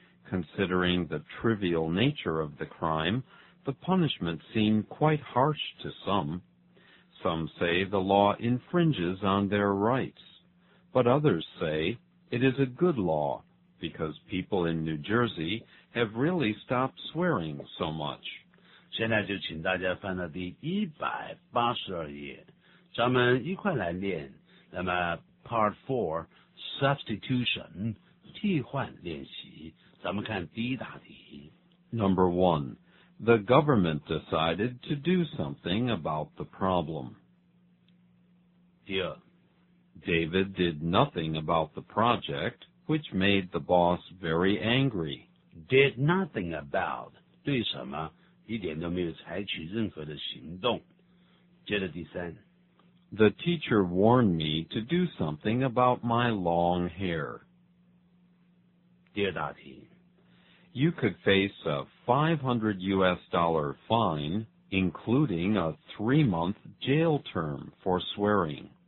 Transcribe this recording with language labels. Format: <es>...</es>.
<en>Considering the trivial nature of the crime, the punishment seemed quite harsh to some. Some say the law infringes on their rights, but others say it is a good law because people in New Jersey have really stopped swearing so much.</en> <zh>现在就请大家翻到第182页，咱们一块来练。那么 Part 4 Substitution 替换练习，咱们看第一大题。</zh> <en>Number 1. The government decided to do something about the problem.</en> <zh>第二。</zh> <en>David did nothing about the project, which made the boss very angry. Did nothing about,</en> <zh>对什么？一点都没有采取任何的行动。接着第三。</zh> <en>The teacher warned me to do something about my long hair.</en> <zh>第二大题。</zh> <en>You could face a $500 fine, including a 3-month jail term for swearing.</en>